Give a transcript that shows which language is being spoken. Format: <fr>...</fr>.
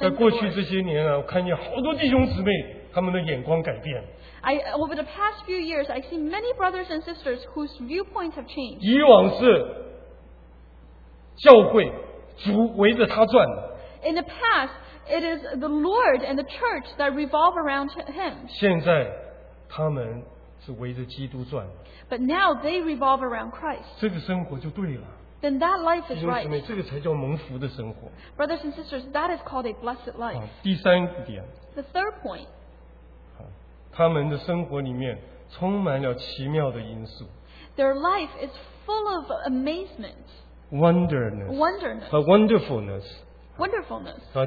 <zh>在过去这些年啊，我看见好多弟兄姊妹他们的眼光改变。</zh> <en>Over the past few years, I see many brothers and sisters whose viewpoints have changed.</en> <zh>以往是教会主围着他转的。</zh> <en>In the past, it is the Lord and the church that revolve around him.</en> <zh>现在他们是围着基督转。</zh> <en>But now they revolve around Christ.</en> <zh>这个生活就对了。</zh> <en>Then that life is right.</en> <zh>弟兄姊妹，这个才叫蒙福的生活。</zh> <en>Brothers and sisters, that is called a blessed life.</en> <zh>第三点。</zh> <en>The third point.</en> <zh>他们的生活里面充满了奇妙的因素。</zh> <en>their life is full of amazement, wonderness, and wonderfulness.</en>